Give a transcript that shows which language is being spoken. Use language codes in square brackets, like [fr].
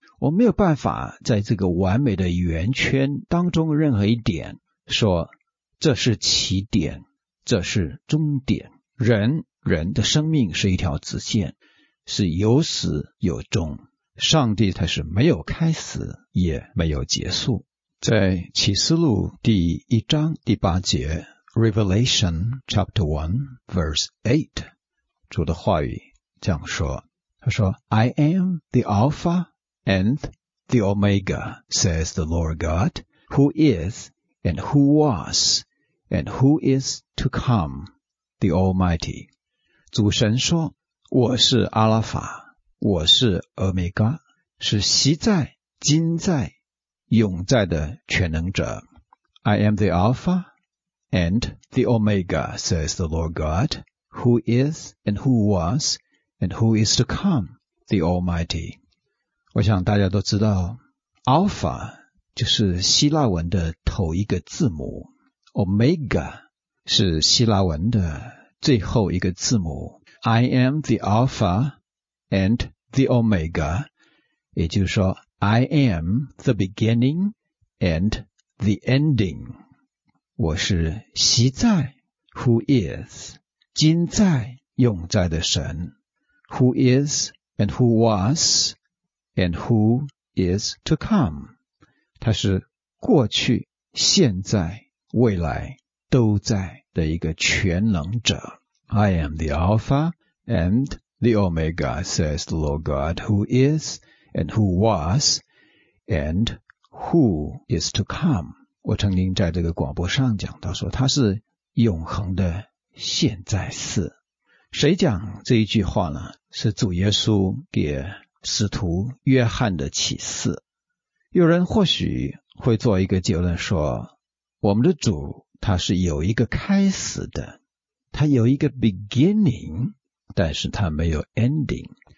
[zh] 我没有办法在这个完美的圆圈当中任何一点说这是起点，这是终点。人的生命是一条直线，是有始有终。上帝他是没有开始也没有结束。在启示录第一章第八节 [en] Revelation chapter 1 verse 8， [zh] 主的话语这样说，他说 [en] I am the Alpha and the Omega says the Lord God who is and who was and who is to come the Almighty。 [zh] 主神说我是阿拉法，我是 Omega， 是昔在、今在、永在的全能者。 [en] I am the Alpha and the Omega says the Lord God who is and who was and who is to come the Almighty。 [zh] 我想大家都知道 Alpha 就是希腊文的头一个字母， Omega 是希腊文的最后一个字母。 [en] I am the Alpha and the Omega， [zh] 也就是说 [en] I am the beginning and the ending， [zh] 我是昔在 [en] who is， [zh] 今在永在的神 [en] who is and who was and who is to come， [zh] 它是过去现在未来都在的一个全能者。 [en] I am the Alpha and the Omega says the Lord God who is and who was and who is to come。 [zh] 我曾经在这个广播上讲到说他是永恒的现在式。谁讲这一句话呢？是主耶稣给使徒约翰的启示。有人或许会做一个结论说，我们的主他是有一个开始的，他有一个 beginning， 但是他没有 ending。